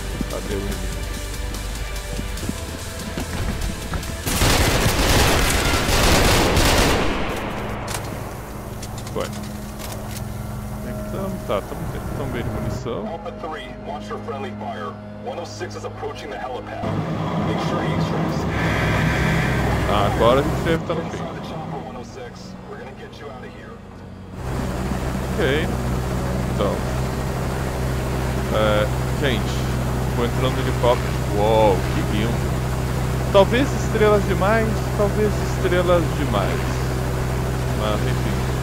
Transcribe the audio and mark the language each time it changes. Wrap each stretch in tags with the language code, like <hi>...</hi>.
<pt>Cadê o inimigo? Foi. Como é que tamo? Tá, tamo tão bem de munição.</pt> <en>Alpha 3, watch for friendly fire. 106 is approaching the helipad. Make sure he extracts.</en> <pt>Ah, agora a gente deve estar no fim. Ok. Então. Gente, vou entrando no helicóptero. Uou, que lindo. Talvez estrelas demais, talvez estrelas demais. Mas enfim.</pt>